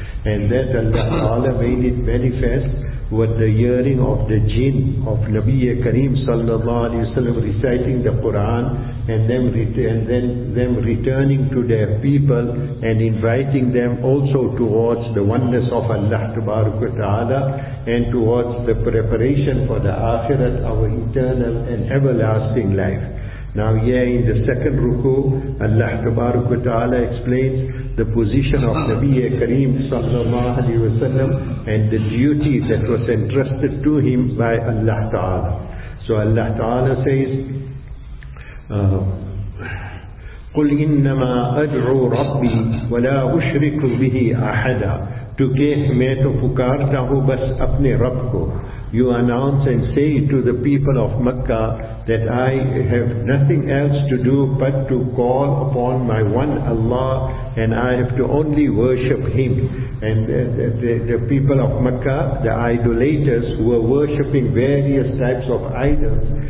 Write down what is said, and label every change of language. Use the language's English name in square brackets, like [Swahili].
[English] And that Allah Ta'ala made it manifest with the hearing of the jinn of Nabiya Kareem sallallahu alayhi wa sallam reciting the Quran, and then returning to their people and inviting them also towards the oneness of Allah Ta'ala and towards the preparation for the akhirat, our eternal and everlasting life. Now here in the second ruku, Allah Ta'ala explains the position of Nabiya Kareem sallallahu alayhi wa sallam and the duty that was entrusted to him by Allah Ta'ala. So Allah Ta'ala says, [Arabic] قُلْ إِنَّمَا أَدْعُوا رَبِّي وَلَا أُشْرِكُ بِهِ أَحَدًا. [Urdu] To keh me to pukarta hu bas apne Rab ko. [English] You announce and say to the people of Makkah that I have nothing else to do but to call upon my one Allah, and I have to only worship Him. And the people of Makkah, the idolaters, were worshipping various types of idols.